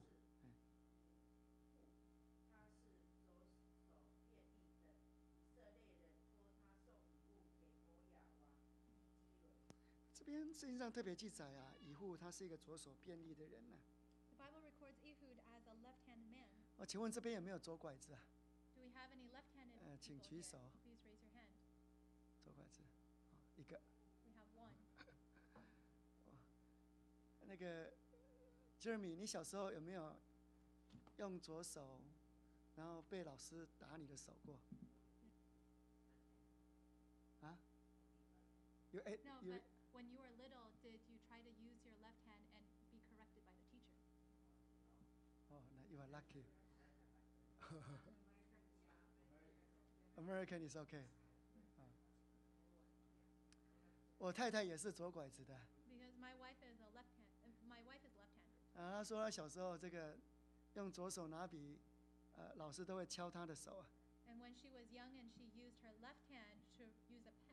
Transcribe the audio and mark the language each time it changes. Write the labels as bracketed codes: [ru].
[zh] 他是左手便利的以色列人，托他送礼物给摩押王伊基伦。这边圣经上特别记载啊，以户他是一个左手便利的人呢。 [en] The Bible records Ehud as a left-handed man. [zh] 我请问这边有没有左拐子啊 [en] ？Do we have any left-handed people here? [zh] 请举手。 [en] Please raise your hand. [zh] 左拐子，一个。 [en] We have one. [zh] 那个。 Jeremy, 你小时候有没有用左手，然后被老师打你的手过？ [en] 啊 ？You no, but when you were little, did you try to use your left hand and be corrected by the teacher? Oh, now you are lucky. American is okay. [zh] 我太太也是左拐子的。 [en] Because my wife is a left hand. My wife is left handed. [zh] 他说他小时候这个用左手拿笔，老师都会敲他的手啊。 [en] And when she was young and she used her left hand to use